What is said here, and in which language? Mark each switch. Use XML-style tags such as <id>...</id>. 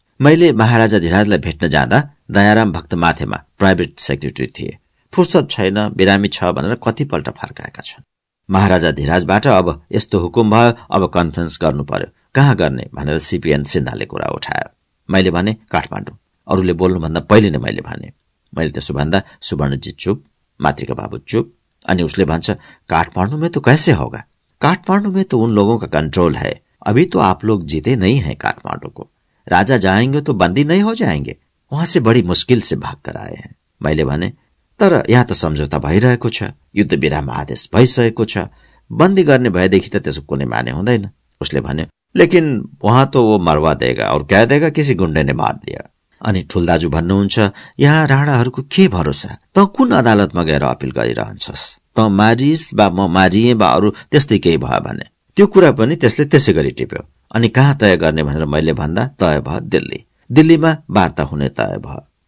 <ne>मैले महाराजा धीराजलाई भेट्न जाँदा दयाराम भक्त माथेमा प्राइभेट सेक्रेटरी थिए, फुर्सद छैन, बिरामी छ भनेर कतिपल्ट फर्काएका छन्। महाराजा धीराजबाट अब यस्तो हुकुम भयो, अब कन्फरेन्स गर्नु पर्यो, कहाँ गर्ने भनेर सीपीएन सिन्हाले कुरा उठायो। मैले भने, काठमाडौँ। अरूले बोल्नुभन्दा पहिले नै मैले भने। मैले त्यसो भन्दा सुवर्णजी चुप, मातृका बाबु चुप, अनि उसले भन्छ,</ne> <hi>काठमाडौँमै तो कैसे होगा, काठमाडौँमै तो उन लोगों का कंट्रोल है, अभी तो आप लोग जीते नहीं है काठमाडौँ को, राजा जाएंगे तो बंदी नहीं हो जाएंगे, वहां से बड़ी मुश्किल से भाग कर आए हैं।</hi> <ne>मैले भने, तर यहाँ त सम्झौता भइरहेको छ, युद्ध विराम आदेश भइसकेको छ, बन्दी गर्ने भएदेखि त त्यसो कुनै माने हुँदैन। उसले भन्यो,</ne> <hi>लेकिन वहां तो वो मरवा देगा और क्या देगा, किसी गुंडे ने मार दिया।</hi> <ne>अनि ठुल दाजु भन्नुहुन्छ, यहाँ राणाहरूको के भरोसा, त कुन अदालतमा गएर अपिल गरिरहन्छस्, त मारिस वा म मारिए वा अरू त्यस्तै केही भयो भने। त्यो कुरा पनि त्यसले त्यसै गरी टिप्यो। अनि कहाँ तय गर्ने भनेर मैले भन्दा, तय भयो दिल्ली, दिल्लीमा वार्ता हुने तय भयो।</ne>